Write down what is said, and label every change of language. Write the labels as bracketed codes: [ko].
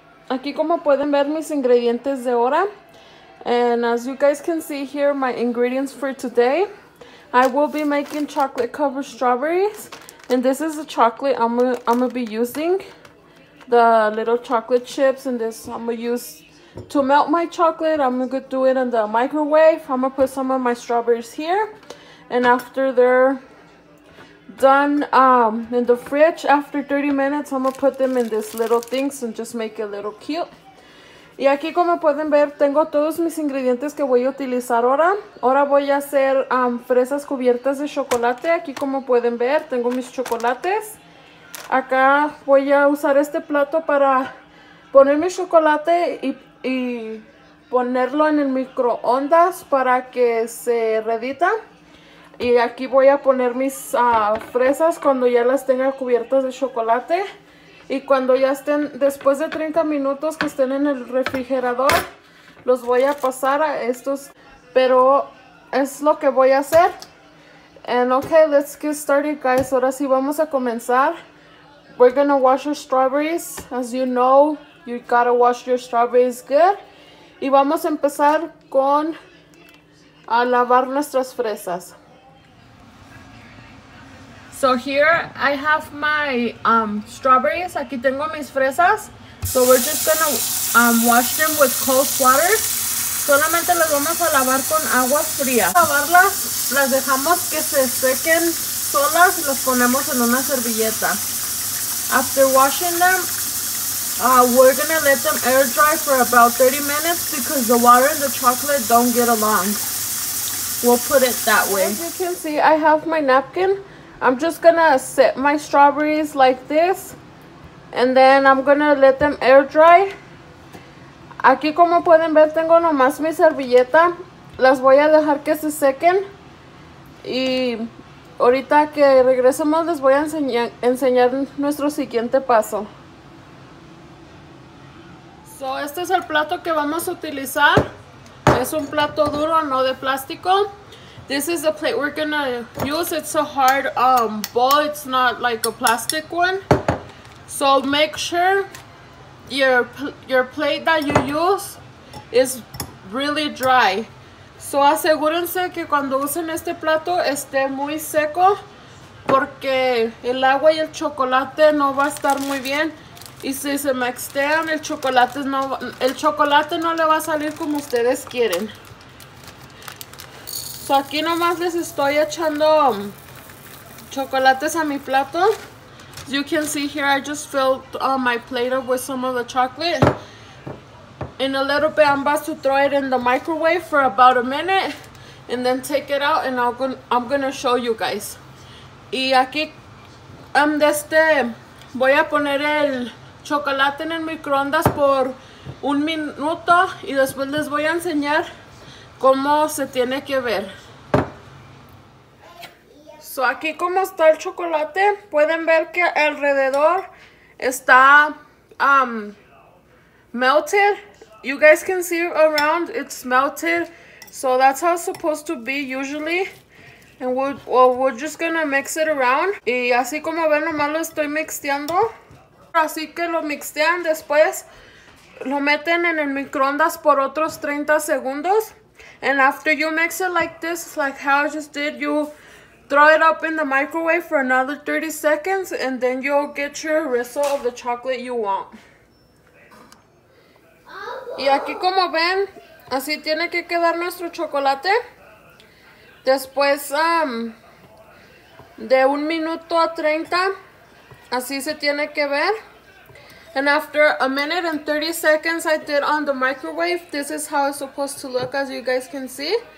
[es] Aquí como pueden ver mis ingredientes de ahora. [en] And as you guys can see here, my ingredients for today. I will be making chocolate covered strawberries. And this is the chocolate I'm gonna be using. The little chocolate chips. And this I'm gonna use to melt my chocolate. I'm gonna do it in the microwave. I'm gonna put some of my strawberries here. And after they're done in the fridge after 30 minutes, I'm gonna put them in this little things and just make it a little cute. [es] Y aquí como pueden ver, tengo todos mis ingredientes que voy a utilizar ahora. Ahora voy a hacer fresas cubiertas de chocolate. Aquí como pueden ver, tengo mis chocolates. Acá voy a usar este plato para poner mi chocolate y ponerlo en el microondas para que se redita. Y aquí voy a poner mis fresas cuando ya las tenga cubiertas de chocolate. Y cuando ya estén, después de 30 minutos que estén en el refrigerador, los voy a pasar a estos. Pero es lo que voy a hacer. [en] And okay, let's get started, guys. [es] Ahora sí vamos a comenzar. [en] We're gonna wash our strawberries. As you know, you gotta wash your strawberries good. [es] Y vamos a empezar con a lavar nuestras fresas. [en] So here I have my strawberries. [es] Aquí tengo mis fresas. [en] So we're just gonna wash them with cold water. [es] Solamente las vamos a lavar con agua fría. Lavarlas, las dejamos que se sequen solas y las ponemos en una servilleta. [en] After washing them, we're gonna let them air dry for about 30 minutes because the water and the chocolate don't get along. We'll put it that way. As you can see, I have my napkin. I'm just gonna set my strawberries like this and then I'm gonna let them air dry. [es] Aquí como pueden ver tengo nomás mi servilleta. Las voy a dejar que se sequen y ahorita que regresemos les voy a enseñar nuestro siguiente paso. So este es el plato que vamos a utilizar. Es un plato duro, no de plástico. [en] This is the plate we're gonna use. It's a hard bowl. It's not like a plastic one. So make sure your plate that you use is really dry. [es] So asegúrense que cuando usen este plato esté muy seco porque el agua y el chocolate no va a estar muy bien. Y si se mextean, el chocolate no le va a salir como ustedes quieren. So aquí nomás les estoy echando chocolates a mi plato. [en] As you can see here, I just filled my plate up with some of the chocolate. In a little bit, I'm about to throw it in the microwave for about a minute. And then take it out and I'm gonna show you guys. [es] Y aquí voy a poner el chocolate en el microondas por un minuto. Y después les voy a enseñar cómo se tiene que ver. So aquí como está el chocolate, pueden ver que alrededor está melted. [en] You guys can see around, it's melted. So that's how it's supposed to be usually. And we're just gonna mix it around. [es] Y así como ven, nomás lo estoy mixteando. Así que lo mixtean, después lo meten en el microondas por otros 30 segundos. [en] And after you mix it like this, like how I just did, you throw it up in the microwave for another 30 seconds and then you'll get your result of the chocolate you want. [es] Y aquí como ven, así tiene que quedar nuestro chocolate. Después de un minuto a 30, así se tiene que ver. [en] And after a minute and 30 seconds I did on the microwave, this is how it's supposed to look, as you guys can see.